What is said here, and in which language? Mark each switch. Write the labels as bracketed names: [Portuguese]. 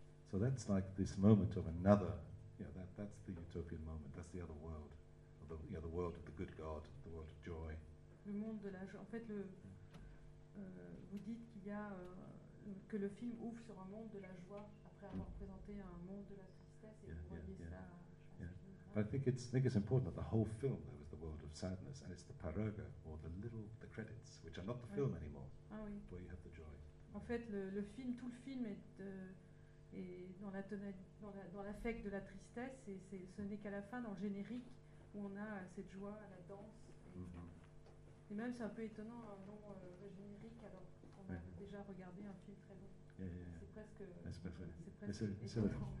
[English] So that's like this moment of another, yeah, that's the utopian moment, that's the other world, the world of the good God, the world of joy. [French] Le monde de la joie. En fait, vous dites qu'il y a, que le film ouvre sur un monde de la joie après avoir présenté un monde de la tristesse et vous voyez ça. [English] But I think it's important that the whole film there was the world of sadness, and it's the paroga or the credits, which are not the film anymore, where you have the joy. [French] En fait, le film, tout le film est dans la dans l'affect de la tristesse, et ce n'est qu'à la fin, dans le générique, où on a cette joie, la danse. Et, et même c'est un peu étonnant un long générique alors qu'on a déjà regardé un film très long.